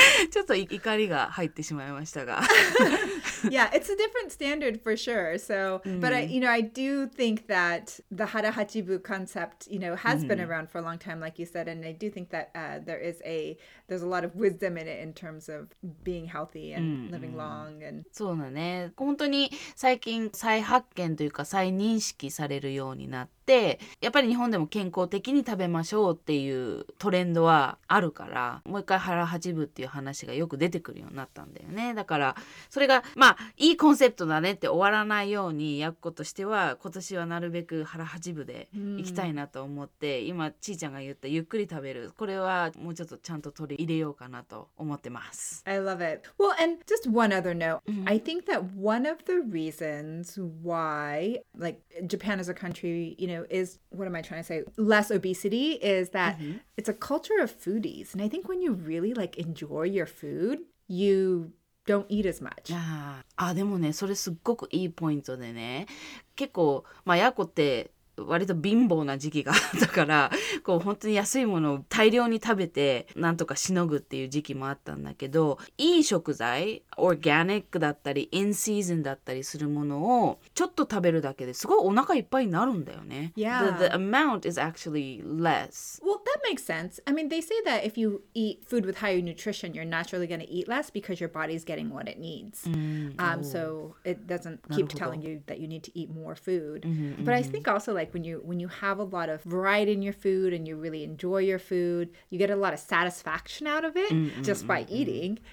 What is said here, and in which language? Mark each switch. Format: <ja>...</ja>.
<ja>ちょっと怒りが入ってしまいましたが。</ja> <en>Yeah, it's a different standard for sure. So, but I, you know, I do think that the hara hachibu concept, you know, has been around for a long time, like you said, and I do think that there's a lot of wisdom in it in terms of being healthy and living long. And</en> <ja>そうだね。本当に最近再発見というか再認識されるようになって。でやっぱり日本でも健康的に食べましょうっていうトレンドはあるからもう一回腹八分っていう話がよく出てくるようになったんだよね。だからそれがまあいいコンセプトだねって終わらないようにやっことしては今年はなるべく腹八分でいきたいなと思って、うん、今ちーちゃんが言ったゆっくり食べるこれはもうちょっとちゃんと取り入れようかなと思ってます。</ja> <en>I love it. Well, and just one other note. I think that one of the reasons why like Japan as a country, you knowis, what am I trying to say, less obesity is that it's a culture of foodies. And I think when you really like enjoy your food, you don't eat as much.</en> <ja>ああでもねそれすっごくいいポイントでね結構まあやこって割と貧乏な時期があったからこう本当に安いものを大量に食べてなんとかしのぐっていう時期もあったんだけどいい食材オーガニックだったりインシーズンだったりするものをちょっと食べるだけですごいお腹いっぱいになるんだよね。</ja> <en>Yeah. The amount is actually less. Well, that makes sense. I mean, they say that if you eat food with higher nutrition, you're naturally going to eat less because your body's getting what it needs. So it doesn't keep telling you that you need to eat more food. But I think also like when you have a lot of variety in your food and you really enjoy your food, you get a lot of satisfaction out of it just by eating.</en>